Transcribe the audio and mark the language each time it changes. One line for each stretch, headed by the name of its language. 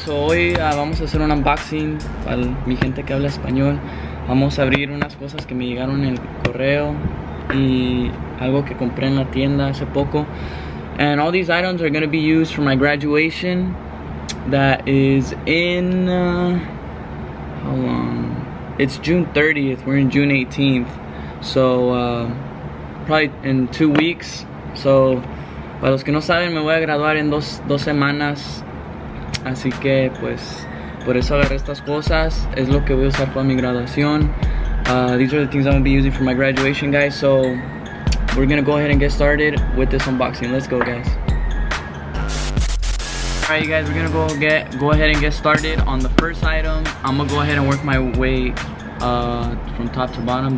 Spanish: So hoy vamos a hacer un unboxing para mi gente que habla español. Vamos a abrir unas cosas que me llegaron en el correo y algo que compré en la tienda hace poco.
English: And all these items are gonna be used for my graduation that is in, how long? It's June 30th, we're in June 18th. So, probably in 2 weeks.
Spanish: So, para los que no saben, me voy a graduar en dos semanas. Así que, pues, por eso agarré estas cosas. Es lo que voy a usar para mi graduación.
English: These are the things I'm gonna be using for my graduation, guys. So, we're gonna go ahead and get started with this unboxing. Let's go, guys. All right, you guys, we're gonna go ahead and get started on the first item. I'm gonna go ahead and work my way from top to bottom.